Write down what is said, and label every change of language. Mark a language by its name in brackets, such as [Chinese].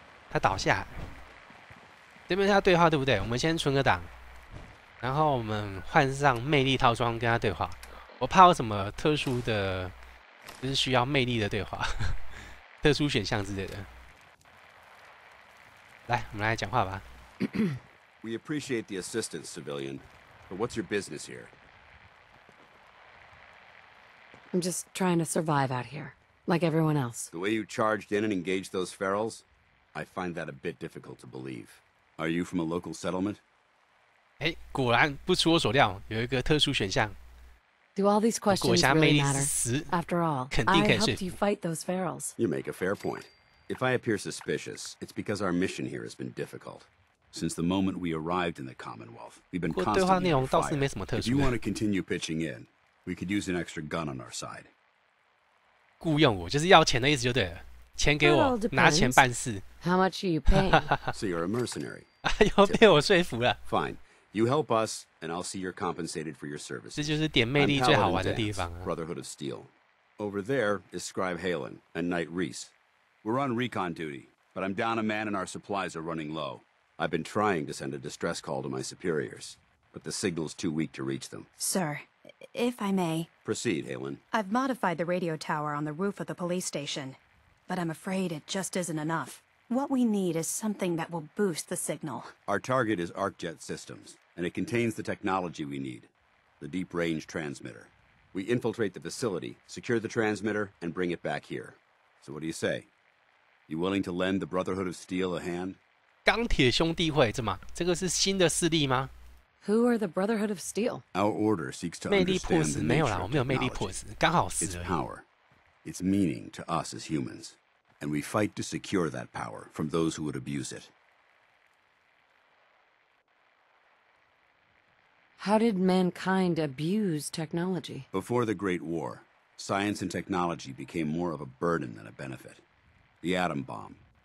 [Chinese] 他倒下，这边是他对话对不对？我们先存个档，然后我们换上魅力套装跟他对话。我怕有什么特殊的，就是需要魅力的对话，特殊选项之类的。来，我们来讲话吧。 [English] We appreciate the assistance, civilian, but what's your business here? I'm just trying to survive out here, like everyone else. The way you charged in and engaged those ferals, I find that a bit difficult to believe. Are you from a local settlement? [Chinese] 果然不出我所料，有一个特殊选项。 [English] Do all these questions really matter? After all, I helped you fight those ferals. You make a fair point. If I appear suspicious, it's because our mission here has been difficult. Since the moment we arrived in the Commonwealth, we've been constantly fighting. [Chinese] 对话内容倒是没什么特殊的。 [English] If you want to continue pitching in. We could use an extra gun on our side. [Chinese] 雇用我就是要钱的意思就对了，钱给我，拿钱办事。 [English] How much are you paying? So you're a mercenary. [Chinese] 又被我说服了。 [English] Fine, you help us, and I'll see you're compensated for your services. [Chinese] 这就是点魅力最好玩的地方啊。 [English] Brotherhood of Steel. Over there is Scribe Halen and Knight Reese. We're on recon duty, but I'm down a man and our supplies are running low. I've been trying to send a distress call to my superiors, but the signal's too weak to reach them. Sir. if I may. Proceed, Halen. I've modified the radio tower on the roof of the police station, but I'm afraid it just isn't enough. What we need is something that will boost the signal. Our target is ArcJet Systems, and it contains the technology we need, the deep range transmitter. We infiltrate the facility, secure the transmitter, and bring it back here. So what do you say? You willing to lend the Brotherhood of Steel a hand? [Chinese] 钢铁兄弟会，怎么？这个是新的势力吗？ [English] Who are the Brotherhood of Steel? Our order seeks to understand the nature of technology. [Chinese] 魅力波斯，没有啦，我没有魅力波斯，刚好是而已。 [English] It's power. It's meaning to us as humans. And we fight to secure that power from those who would abuse it. How did mankind abuse technology? Before the Great War, science and technology became more of a burden than a benefit. The atom bomb.